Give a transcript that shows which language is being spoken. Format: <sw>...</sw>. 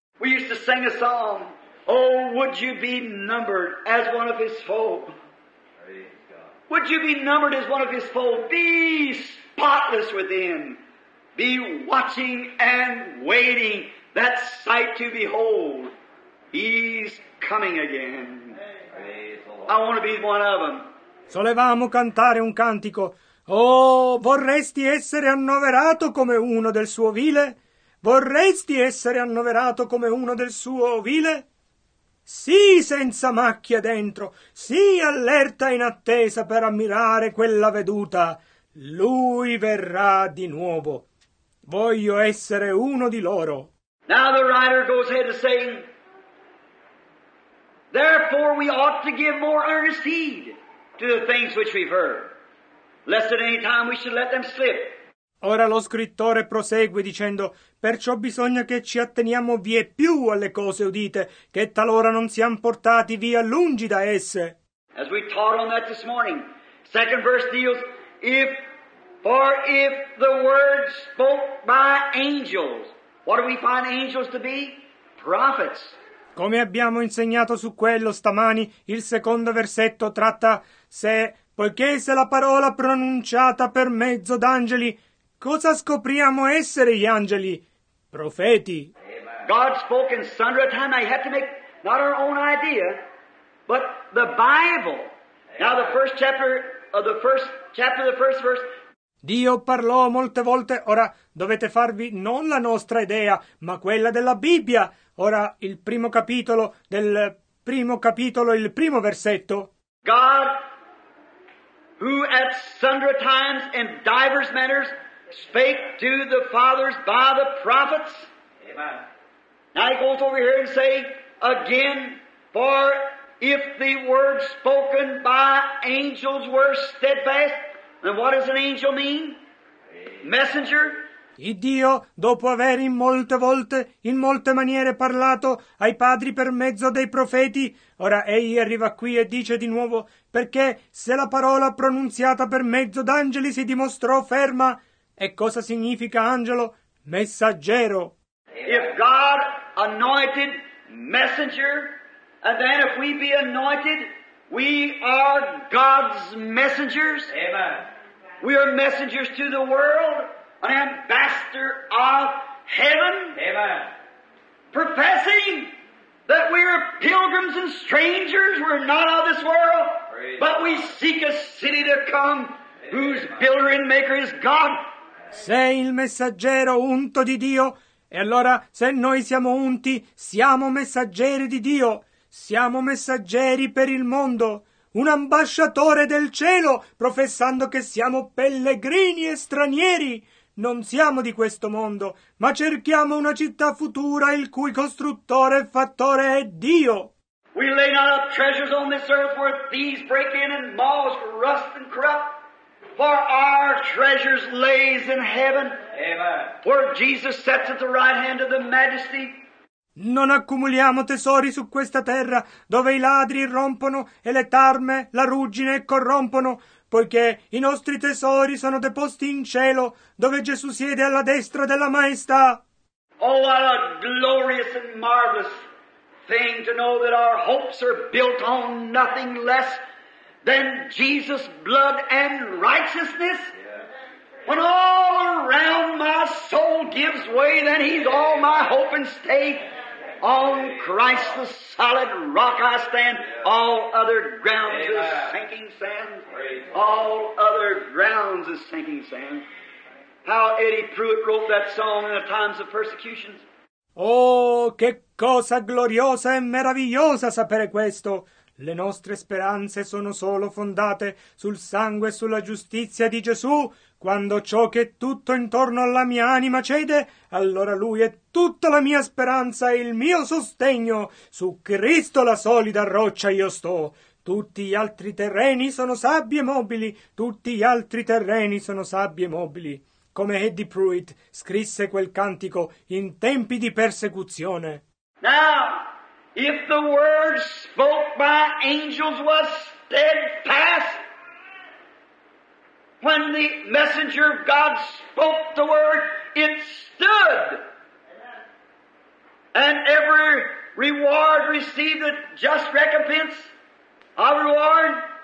<en>We used to sing a song. Oh, would you be numbered as one of his folk? Would you be numbered as one of his fold? Be spotless within. Be watching and waiting that sight to behold. He's coming again. I want to be one of them.</en> <it>Solevamo cantare un cantico. Oh, vorresti essere annoverato come uno del suo vile? Vorresti essere annoverato come uno del suo vile? Sii senza macchia dentro, sii allerta in attesa per ammirare quella veduta. Lui verrà di nuovo. Voglio essere uno di loro.</it> <en>Now the writer goes ahead to say, therefore we ought to give more earnest heed to the things which we've heard, lest at any time we should let them slip.</en> <it>Ora lo scrittore prosegue dicendo, perciò bisogna che ci atteniamo vie più alle cose udite, che talora non siamo portati via lungi da esse.</it> <en>As we taught on that this morning, second verse deals, if the word spoke by angels, what do we find angels to be? Prophets.</en> <it>Come abbiamo insegnato su quello stamani, il secondo versetto tratta se, poiché se la parola pronunciata per mezzo d'angeli, cosa scopriamo essere gli angeli? Profeti.</it> <en>God spoke in sundry time. I had to make not our own idea, but the Bible. Amen. Now the first chapter of the first verse.</en> <it>Dio parlò molte volte. Ora dovete farvi non la nostra idea, ma quella della Bibbia. Ora il primo capitolo del primo capitolo, il primo versetto.</it> <en>God, who at sundry times and divers manners spake to the fathers by the prophets. Amen. Now he goes over here and say again, for if the word spoken by angels were steadfast, then what does an angel mean? Messenger.</en> <it>E Dio, dopo aver in molte volte, in molte maniere parlato ai padri per mezzo dei profeti, ora egli arriva qui e dice di nuovo, perché se la parola pronunziata per mezzo d'angeli si dimostrò ferma. E cosa significa angelo? Messaggero.</it> <en>If God anointed messenger, and then if we be anointed, we are God's messengers. Amen. We are messengers to the world, an ambassador of heaven. Amen. Professing that we are pilgrims and strangers, we're not of this world, praise but God. We seek a city to come, amen, whose builder and maker is God.</en> <it>Sei il messaggero unto di Dio, e allora se noi siamo unti, siamo messaggeri di Dio, siamo messaggeri per il mondo, un ambasciatore del cielo, professando che siamo pellegrini e stranieri. Non siamo di questo mondo, ma cerchiamo una città futura il cui costruttore e fattore è Dio.</it> <en>We lay not up treasures on this earth where thieves break in and moths rust and corrupt. For our treasures lays in heaven. Amen. Where Jesus sits at the right hand of the majesty.</en> <it>Non accumuliamo tesori su questa terra, dove i ladri rompono e le tarme, la ruggine corrompono, poiché i nostri tesori sono deposti in cielo, dove Gesù siede alla destra della maestà.</it> <en>Oh, what a glorious and marvelous thing to know that our hopes are built on nothing less than Jesus' blood and righteousness. Yeah. When all around my soul gives way, then he's all my hope and stay. Yeah. On Christ the solid rock I stand. Yeah. All other grounds is sinking sand. Praise all God. Other grounds is sinking sand. How Eddie Pruitt wrote that song in the times of persecution.</en> <it>Oh, che cosa gloriosa e meravigliosa sapere questo. Le nostre speranze sono solo fondate sul sangue e sulla giustizia di Gesù. Quando ciò che è tutto intorno alla mia anima cede, allora Lui è tutta la mia speranza e il mio sostegno. Su Cristo la solida roccia io sto. Tutti gli altri terreni sono sabbie mobili. Tutti gli altri terreni sono sabbie mobili. Come Eddie Pruitt scrisse quel cantico in tempi di persecuzione.</it> <en>Now! If the word spoke by angels was steadfast, when the messenger of God spoke the word, it stood. And every reward received a just recompense, our reward.</en>